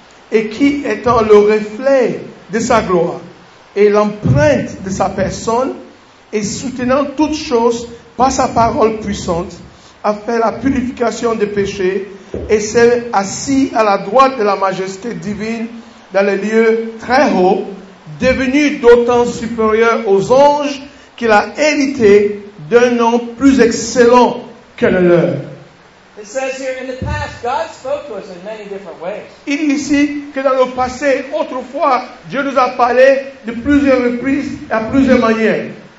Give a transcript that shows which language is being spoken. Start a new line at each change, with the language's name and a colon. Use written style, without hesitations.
French: et qui, étant le reflet de sa gloire et l'empreinte de sa personne, et soutenant toutes choses par sa parole puissante, a fait la purification des péchés, et s'est assis à la droite de la majesté divine dans les lieux très hauts, devenu d'autant supérieur aux anges qu'il a hérité d'un nom plus excellent que le leur.
English: It says here, in the past, God spoke to us in many different ways.
French: Il dit ici que dans le passé, autrefois, Dieu nous a parlé de plusieurs reprises et à plusieurs manières.